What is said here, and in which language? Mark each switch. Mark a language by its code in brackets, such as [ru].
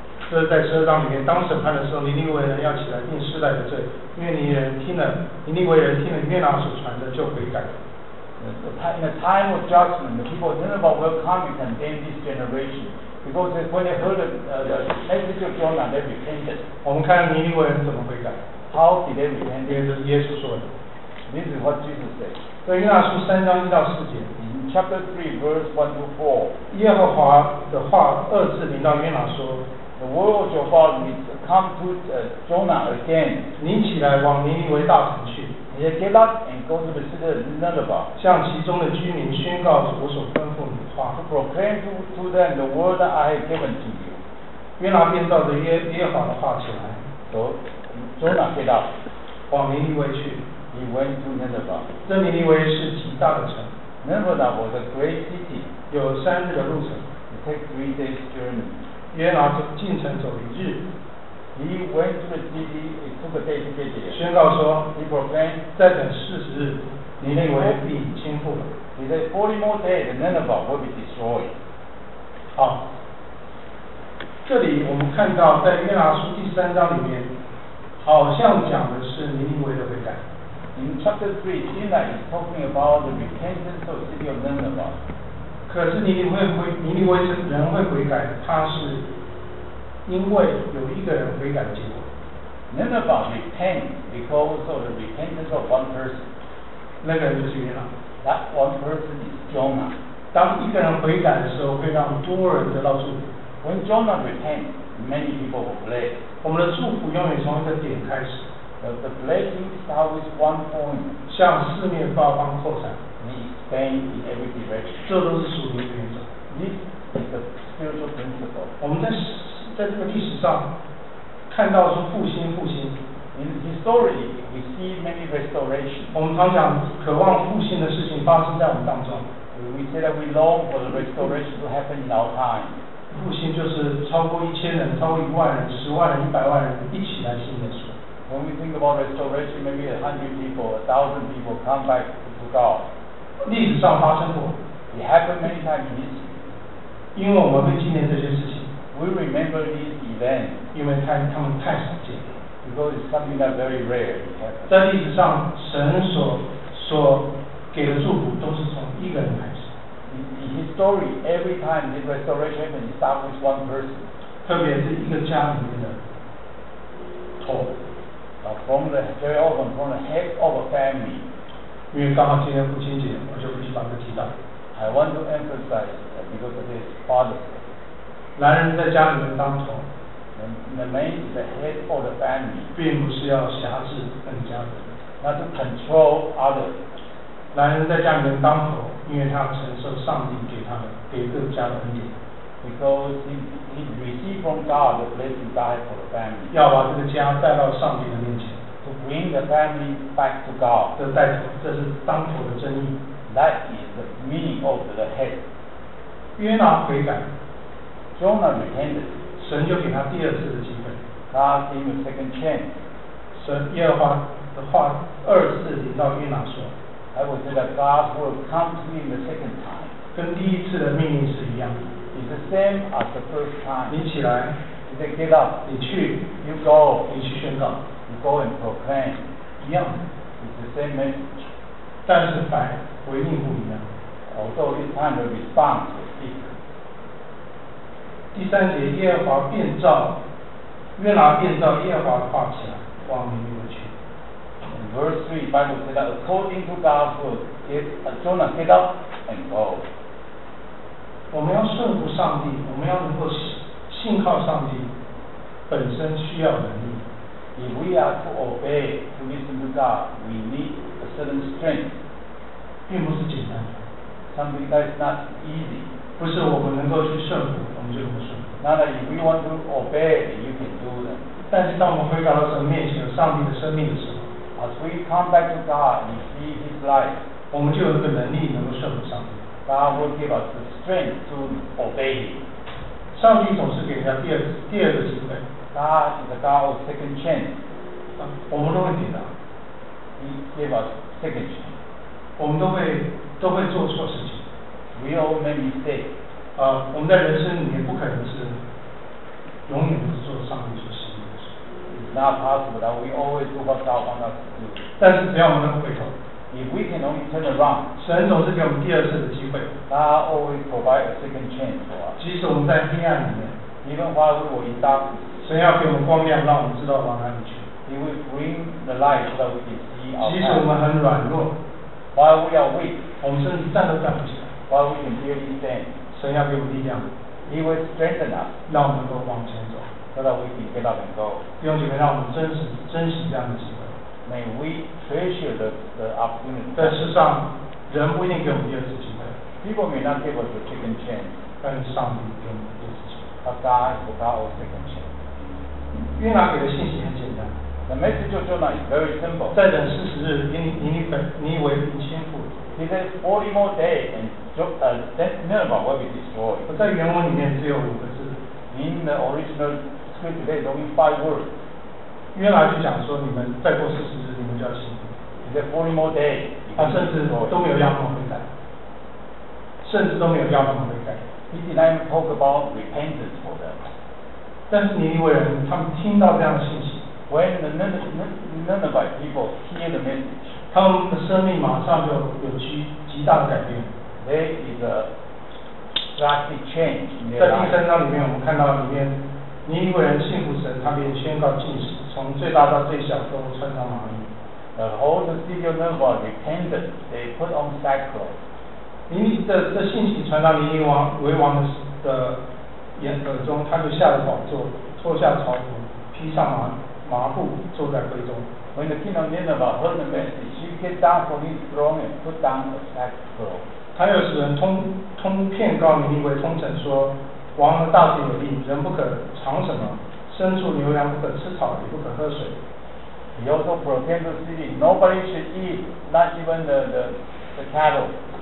[zh] 这是在十二章里面，当审判的时候，尼尼微人要起来定时代的罪，因为尼尼微人听了约拿所传的就悔改。 [en] In the time of judgment, the people of Nineveh will come and condemn this generation because when they heard the message of Jonah, they repented. [zh] 我们看尼尼微人怎么悔改 [en] ？How did they repent？ [zh] 这是耶稣说的。 [en] This is what Jesus said. [zh] 在约拿书三章一到四节 [en] ，In chapter three, verse one to four, [zh] 耶和华的话二次临到约拿说 [en] ，The word of your father is come to Jonah again. [zh] 你起来往尼尼微大城去 [en] ，You get up and go to the city of Nineveh. [zh] 向其中的居民宣告主所吩咐你的话 [en] ，To proclaim to them the word that I have given to you. [zh] 约拿便照着耶和华的话起来 [en] ，So Jonah get up, [zh] 往尼尼微去。 [en] He went to Nineveh. [zh] 这尼尼微是极大的城。 [en] Nineveh was a great city. [zh] 有三日的路程。 [en] It takes 3 days journey. [zh] 约拿进城走一日。 [en] He went to the city. It took a day to get there. [zh] 宣告说 [en] ，He proclaimed, [zh] 再等40日，尼尼微必倾覆了。 [en] He said, 40 more days, Nineveh will be destroyed. [zh] 好，这里我们看到在约拿书第三章里面，好像讲的是尼尼微的悔改。 [en] In chapter 3, Jonah is talking about the repentance of the city of Nineveh. [zh] 可是尼尼微人会悔改，他是因为有一个人悔改的结果。 [en] Nineveh repents because of the repentance of one person. [zh] 那个人就是约拿。 [en] That one person is Jonah. [zh] 当一个人悔改的时候，会让多人得到祝福。 [en] When Jonah repents, many people will bless. [zh] 我们的祝福永远从一个点开始。 [en] The blessing starts with one point. [zh] 向四面八方扩散。 [en] We expand in every direction. [zh] 这都是属灵原则。 [en] This is the spiritual principle. [zh] 我们在这个历史上看到是复兴。 [en] In history, we see many restoration. [zh] 我们常讲渴望复兴的事情发生在我们当中。 [en] We say that we long for the restoration to happen in our time. [zh] 复兴就是超过一千人、超过一万人、十万人、一百万人一起来信耶稣。 [en] When we think about restoration, maybe 100 people, 1,000 people come back to God. [zh] 历史上发生过。 [en] It happened many times in history. [zh] 因为我们会纪念这些事情。 [en] We remember these events. [zh] 因为他们太少见。 [en] Because it's something that very rare happens. [zh] 在历史上，神所给的祝福都是从一个人开始。 [en] In history, every time this restoration happens, it starts with one person. [zh] 特别是一个家里面的头。 [en] From the very often from the head of a family. [zh] 因为刚刚今天父亲节，我就必须把这提到。 [en] I want to emphasize that because it is Father's Day. [zh] 男人在家里面当头。 [en] The man is the head of the family. [zh] 并不是要辖制更加的。 [en] Not to control others. [zh] 男人在家里面当头，因为他承受上帝给他们给各家的恩典。 [en] Because he received from God the blessing God has for the family. [zh] 要把这个家带到上帝的面前。 [en] To bring the family back to God. [zh] 这是当头的真意。 [en] That is the meaning of the head. [zh] 约拿悔改。 [en] Jonah repented. [zh] 神就给他第二次的机会。 [en] God gave him a second chance. [zh] 神耶和华的话二次临到约拿说。 [en] I would say that God will come to him the second time. [zh] 跟第一次的命令是一样的。 [en] It's the same as the first time. [zh] 你起来。 [en] You say get up. [zh] 你去。 [en] You go. [zh] 你去宣告。 [en] You go and proclaim. [zh] 一样。 [en] It's the same message. [zh] 但是反回应不一样。 [en] Although this time the response is different. [zh] 第三节，耶和华变造，约拿变造耶和华的话起来，往民中去。 [en] And verse 3, Bible says that according to God's word, Jonah get up and go. [zh] 我们要顺服上帝，我们要能够信靠上帝，本身需要能力。 [en] If we are to obey, to listen to God, we need a certain strength. [zh] 并不是简单的。 [en] Something that is not easy. [zh] 不是我们能够去顺服，我们就能顺服。 [en] Not that if we want to obey, you can do that. [zh] 但是当我们回到神面前，有上帝的生命的时候， [en] As we come back to God, we see His life. [zh] 我们就有一个能力能够顺服上帝。 [en] God will give us the strength to obey Him. [zh] 上帝总是给他第二个机会。 [en] God is the God of second chance. [zh] 我们都会跌倒。 [en] He gave us second chance. [zh] 我们都会做错事情。 [en] We all make mistakes. [zh] 我们在人生里面不可能是永远都是做上帝所喜悦的事。 [en] It's not possible that we always do what God wants us to do. [zh] 但是只要我们能回头。 [en] If we can only turn around, [zh] 神总是给我们第二次的机会。 [en] God always provides a second chance for us. [zh] 即使我们在黑暗里面， [en] even while we are in darkness, [zh] 神要给我们光亮，让我们知道往哪里去。 [en] He will bring the light so that we can see our path. [zh] 即使我们很软弱， [en] while we are weak, [zh] 我们甚至站都站不起来， [en] while we can barely stand, [zh] 神要给我们力量。 [en] He will strengthen us, [zh] 让我们能够往前走， [en] so that we can get up and go. [zh] 弟兄姐妹，让我们珍惜这样的机会。 [en] May we treasure the opportunity. [zh] 但事实上，人不一定给我们第二次机会。 [en] People may not give us a second chance. [zh] 但是上帝给我们第二次机会。 [en] But God is the God of second chance. [zh] 约拿给的信息很简单。 [en] The message of Jonah is very simple. [zh] 再等四十日，你以为你轻浮。 [en] He says 40 more days and Nineveh will be destroyed. [zh] 在原文里面只有五个字。 [en] In the original script today, only 5 words. [zh] 约拿就讲说，你们再过四十日，你们就要醒悟。 [en] The 40 more days， [zh] 他甚至都没有要他们悔改，甚至都没有要他们悔改。 [en] He did not talk about repentance for them。 [zh] 但是尼尼微人，他们听到这样的信息 [en] ，When the Ninevite people hear the message， [zh] 他们的生命马上就有极大的改变。 [en] There is a drastic change in their life。 [zh] 在第三章里面，我们看到里面尼尼微人信服神，他便宣告禁食。从最大到最小都穿上麻衣。 [en] all the civil nobles repented. They put on sackcloth. [zh] 这信息传到尼尼王为王的眼中，他就下了宝座，脱下朝服，披上麻布，坐在会中。 [en] When the king of Nineveh heard the message, he came down from his throne and put down a sackcloth. [zh] 他又使人通片告尼尼微通臣说，王和大臣有令，人不可尝什么，牲畜牛羊不可吃草，也不可喝水。 [en] He also proclaimed the city, nobody should eat, not even the cattle.